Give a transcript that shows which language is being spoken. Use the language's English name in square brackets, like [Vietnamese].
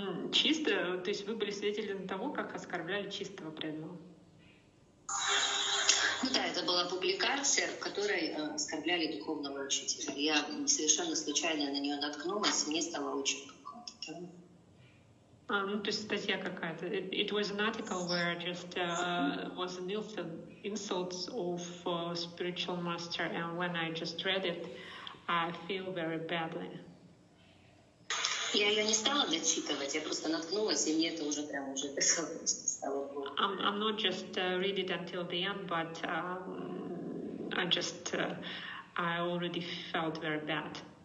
[Russian] Чисто, то есть вы были свидетелем того, как оскорбляли чистого преданного. Ну да, это была публикация, в которой оскорбляли духовного учителя. Я совершенно случайно на нее наткнулась, мне стало очень плохо. Ну то есть статья какая-то. [English] It was an article where just was an insult of spiritual master, and when I just read it, I feel very badly. [Russian] Я ее не стала дочитывать, я просто наткнулась, и мне это уже прям уже стало плохо. [English] I'm not just read it until the end, but I already felt very bad.